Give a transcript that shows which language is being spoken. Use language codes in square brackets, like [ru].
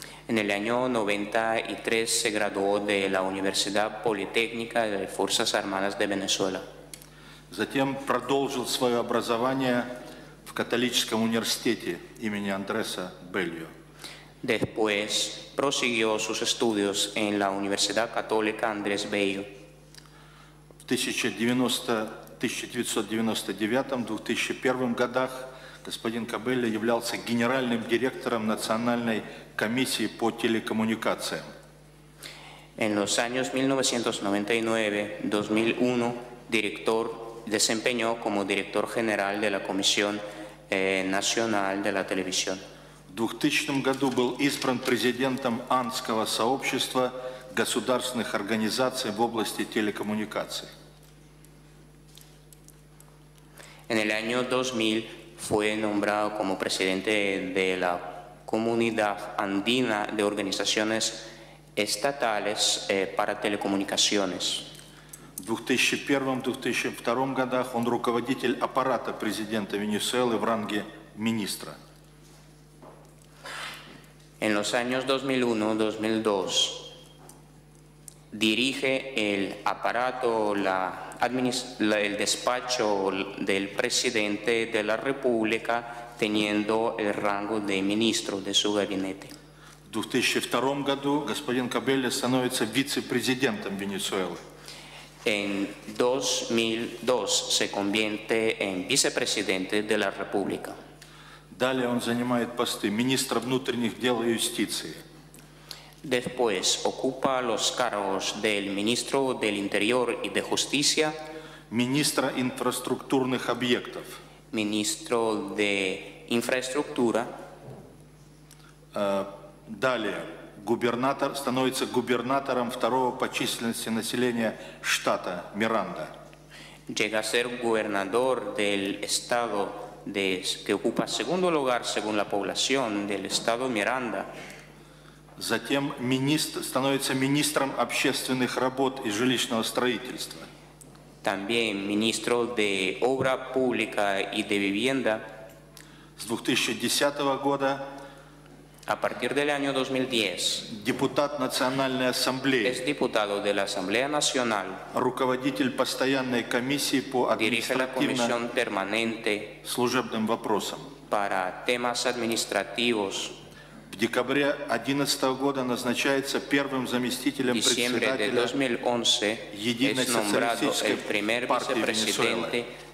[es] En el año 93 se graduó de la Universidad Politécnica de Fuerzas Armadas de Venezuela. [ru] Затем продолжил свое образование в Католическом университете имени Андреса Бельо. [es] Después prosiguió sus estudios en la Universidad Católica Andrés Bello. [ru] В 1999-2001 годах господин Кабелия являлся генеральным директором Национальной комиссии по телекоммуникациям. [es] En los años 1999-2001 director desempeñó como director general de la Comisión Nacional de la Televisión. [ru] В 2000 году был избран президентом Андского сообщества государственных организаций в области телекоммуникаций. [es] En el año 2000 fue nombrado como presidente de la Comunidad Andina de Organizaciones Estatales para Telecomunicaciones. [ru] В 2001-2002 годах он руководитель аппарата президента Венесуэлы в ранге министра. [es] En los años 2001-2002 dirige el aparato, el despacho del presidente de la República teniendo el rango de ministro de su gabinete. [ru] В 2002 году господин Кабелия становится вице-президентом Венесуэлы. [es] En 2002 se convierte en vicepresidente de la República. [ru] Далее он занимает посты министра внутренних дел и юстиции. [es] Después ocupa los cargos del ministro del Interior y de Justicia. [ru] Министра инфраструктурных объектов. [es] Ministro de Infraestructura. [ru] Далее губернатор становится губернатором второго по численности населения штата Миранда. [es] Llega a ser gobernador del estado de, que ocupa segundo lugar según la población del estado Miranda. [ru] Затем министр становится министром общественных работ и жилищного строительства. [es] También ministro de obra pública y de vivienda. [ru] С 2010 года. [es] A partir del año 2010. [ru] Депутат Национальной Ассамблеи. [es] Es diputado de la Asamblea Nacional. [ru] Руководитель постоянной комиссии по административно-служебным вопросам. [es] Para temas administrativos. [ru] В декабре 2011 года назначается первым заместителем председателя Единой социалистической партии Венесуэлы.